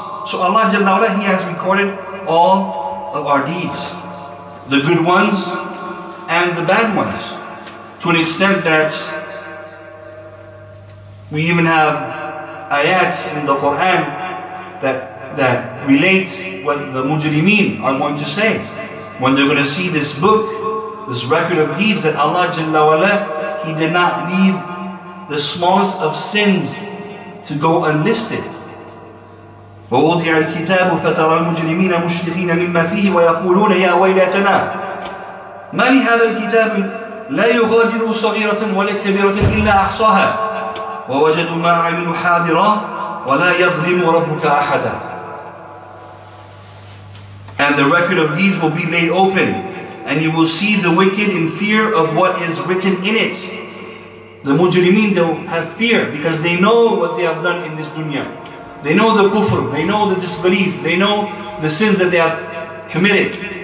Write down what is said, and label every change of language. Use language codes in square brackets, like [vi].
[en] So Allah Jalla Wala, He has recorded all of our deeds, the good ones and the bad ones, to an extent that we even have ayat in the Quran that relates what the mujrimeen are going to say when they're going to see this book, this record of deeds, that Allah Jalla Wala, He did not leave the smallest of sins to go unlisted. [ar] ووضع الكتاب فترى المجرمين مشفقين مما فيه ويقولون يا ويلتنا ما لهذا الكتاب لا يغادر صغيرة ولا كبيرة إلا أحصاها ووجدوا ما عملوا حاضرا ولا يظلم ربك أحدا. [en] And the record of deeds will be laid open, and you will see the wicked in fear of what is written in it. The mujrimeen, they'll have fear because they know what they have done in this dunya. They know the kufr, they know the disbelief, they know the sins that they have committed.